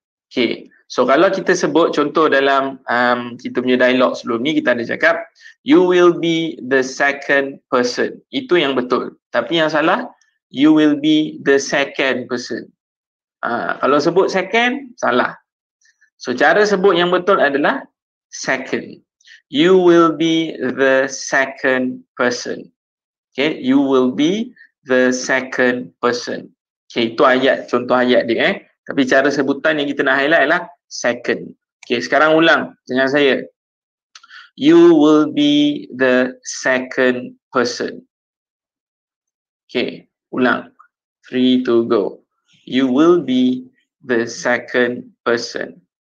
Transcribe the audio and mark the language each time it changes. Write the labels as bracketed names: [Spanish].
[Malay] Okay, so kalau kita sebut contoh dalam kita punya dialog sebelum ni, kita ada cakap [English] you will be the second person. [Malay] Itu yang betul. Tapi yang salah, [English] you will be the second person. [Malay] Kalau sebut second, salah. So cara sebut yang betul adalah second. [English] You will be the second person. Okay, you will be the second person. [Malay] Okay, itu ayat, contoh ayat dia eh. Tapi cara sebutan yang kita nak highlight lah second. Okay, sekarang ulang dengan saya. [English] You will be the second person. Okay, [Malay] ulang. [English] 3, 2, go. You will be the second person.